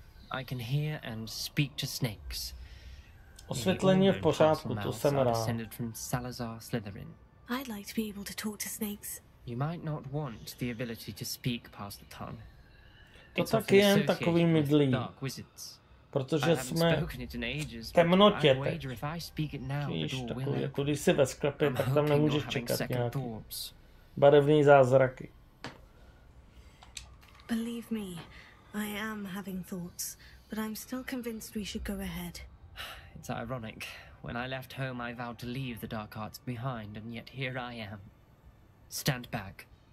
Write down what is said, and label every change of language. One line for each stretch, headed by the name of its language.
English: I can hear and speak to snakes.
Czech: Osvětlení je v pořádku, to jsem rád.
English: I'd like to be able to talk to snakes. You might not want the ability to speak past the tongue.
Czech: To taky jen takový mydlí. Protože jsme v temnotě teď. Víš, takový, jako když jsi ve sklepě, tak tam nemůžeš čekat nějaký barevný zázraky.
English: Believe me, I am having thoughts, but I'm still convinced we should go ahead. It's ironic. When I left home, I vowed to leave the dark arts behind, and yet here I am. Stand back.